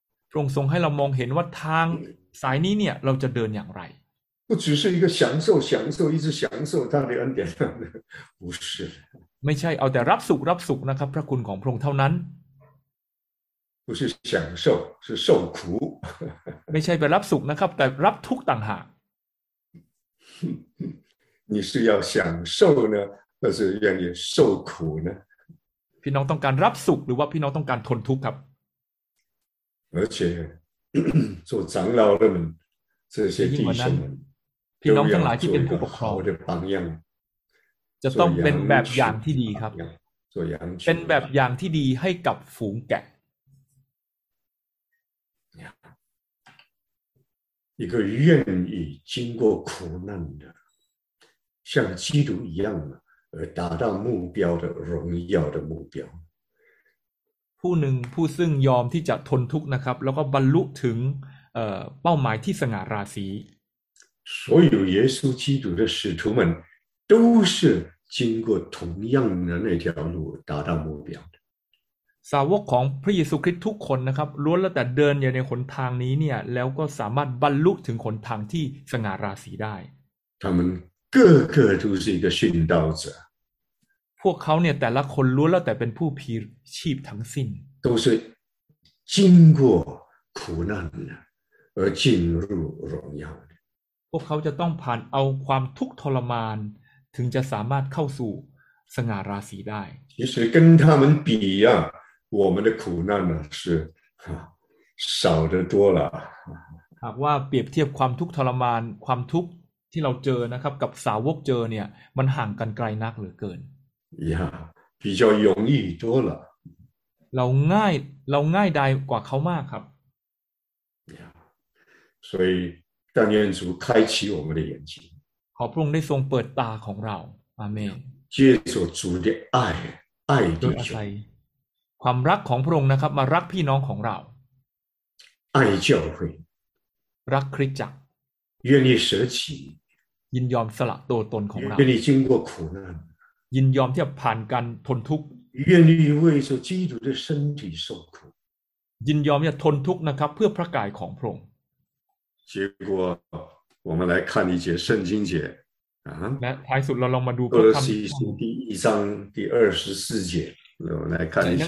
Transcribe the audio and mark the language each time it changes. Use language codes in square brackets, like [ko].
[th] พระองค์ทรงให้เรามองเห็นว่าทางสายนี้เนี่ยเราจะเดินอย่างไร [zh] 不只是一个享受享受一直享受他的恩典不是 [th] ไม่ใช่เอาแต่รับสุขรับสุขนะครับพระคุณของพระองค์เท่านั้น [zh] 不是享受是受苦 [th] ไม่ใช่ไปรับสุขนะครับแต่รับทุกข์ต่างหาก [zh] 你是要享受呢还是愿意受苦呢 [th] พี่น้องต้องการรับสุขหรือว่าพี่น้องต้องการทนทุกข์ครับ [zh] 而且做长老的们这些弟兄们 [th] พี่น้องทั้งหลายที่เป็นผู้ปกครอง จ ะต้องเป็นแบบอย่างที่ดีครับเป็นแบบอย่างที่ดีให้กับฝูงแกะ [zh] 一个愿意经过苦难的像基督一样而达到目标的荣耀的目标 [th] ผู้หนึ่งผู้ซึ่งยอมที่จะทนทุกข์นะครับแล้วก็บรรลุถึงเป้าหมายที่สง่าราศี [zh] 所有耶稣基督的使徒们都是经过同样的那条路达到目标的 [th] สาวกของพระเยซูคริสต์ทุกคนนะครับล้วนแล้วแต่เดินอยู่ในหนทางนี้เนี่ยแล้วก็สามารถบรรลุถึงหนทางที่สง่าราศีได้ [zh] 他们个个都是一个殉道者 [th] พวกเขาเนี่ยแต่ละคนล้วนแล้วแต่เป็นผู้พีชีพทั้งสิ้น [zh] 都是经过苦难而进入荣耀的 [th] พวกเขาจะต้องผ่านเอาความทุกข์ทรมานถึงจะสามารถเข้าสู่สง่าราศีได้ [zh] 其实跟他们比呀我们的苦难呢是少得多了 [th] หากว่าเปรียบเทียบความทุกข์ทรมานความทุกข์ที่เราเจอนะครับกับสาวกเจอเนี่ยมันห่างกันไกลนักเหลือเกิน [zh] 比较容易多了 [th] เราง่ายได้กว่าเขามากครับ [zh] 所以但愿主开启我们的眼睛 [th] ขอพระองค์ได้ทรงเปิดตาของเราอาเมน [zh] 借着主的爱爱弟兄 [th] ความรักของพระองค์นะครับมารักพี่น้องของเรา [zh] 爱教会 [th] รักคริสตจักร [zh] 愿意舍弃 [th] ยินยอมสละตัวตนของเรา [zh] 愿意经过苦难 [th] ยินยอมที่จะผ่านการทนทุกข์ [zh] 愿意为着基督的身体受苦 [th] ยินยอมจะทนทุกข์นะครับเพื่อพระกายของพระองค์ [zh] 结果我们来看一节圣经节啊那开始我们来看哥罗西书第一章第二十四节我们来看一下